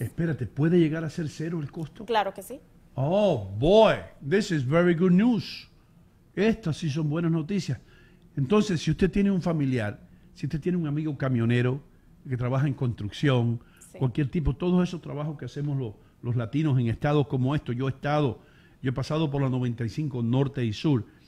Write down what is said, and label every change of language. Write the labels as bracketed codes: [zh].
[es] Espérate, ¿puede llegar a ser cero el costo? Claro que sí. [en] Oh, boy, this is very good news. [es] Estas sí son buenas noticias. Entonces, si usted tiene un familiar, si usted tiene un amigo camionero que trabaja en construcción, sí. Cualquier tipo, todos esos trabajos que hacemos los latinos en estados como estos, yo he pasado por la 95 norte y sur,